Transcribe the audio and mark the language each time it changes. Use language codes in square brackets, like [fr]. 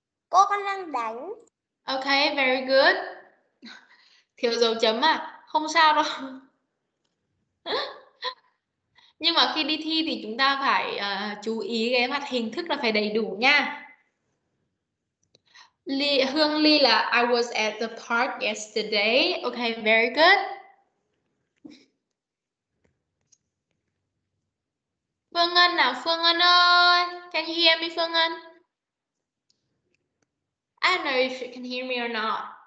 [vi] Cô con đang đánh. [en] Ok, very good. [vi] Thiếu dấu chấm à? Không sao đâu. Nhưng mà khi đi thi thì chúng ta phải chú ý cái mặt hình thức là phải đầy đủ nha. [en] Hương Ly là I was at the park yesterday. Ok, very good. [vi] Phương Ngân nào, Phương Ngân ơi. [en] Can you hear me, Phương Ngân? I don't know if you can hear me or not.